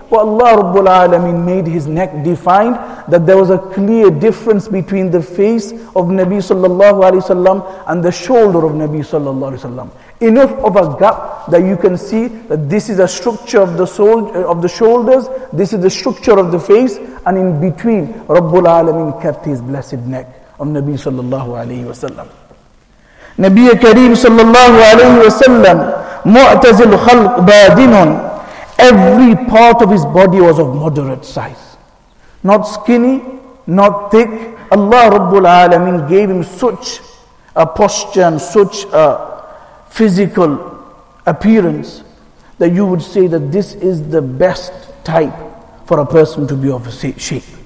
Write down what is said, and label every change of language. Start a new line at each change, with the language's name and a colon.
English: But Allah Rabbul Alameen made his neck defined, that there was a clear difference between the face of Nabi sallallahu alayhi wa sallam and the shoulder of Nabi sallallahu alayhi wa sallam. Enough of a gap that you can see that this is a structure of the soul, of the shoulders, this is the structure of the face, and in between Rabbul Alameen kept his blessed neck of Nabi sallallahu alayhi wa sallam.
Arabic: نبي كريم صلى الله عليه وسلم معتزل خلق بادن.
English: Every part of his body was of moderate size. Not skinny, not thick. Allah رب العالمين gave him such a posture and such a physical appearance that you would say that this is the best type for a person to be of shape.